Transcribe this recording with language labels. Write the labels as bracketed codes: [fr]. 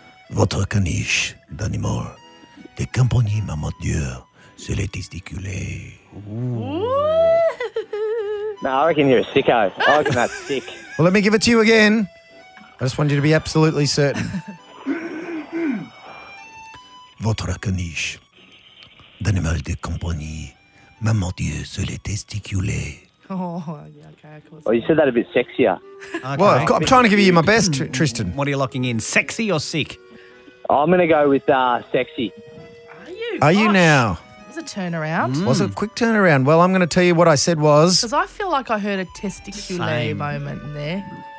[fr] Votre caniche d'animal. Des compagnies, maman Dieu, c'est les testiculés. [en] No, I reckon you're a sicko. I reckon that's sick. Well, let me give it to you again. I just want you to be absolutely certain. [fr] Votre caniche, d'animal de compagnie, maman Dieu, c'est les testiculés. [en] Oh, yeah, okay. Well, you said that a bit sexier. Okay. Well, I'm trying to give you my best, Tristan. What are you locking in, sexy or sick? I'm going to go with sexy. Are you now? It was a turnaround. Mm. Was it a quick turnaround? Well, I'm going to tell you what I said was... Because I feel like I heard a testicule moment there.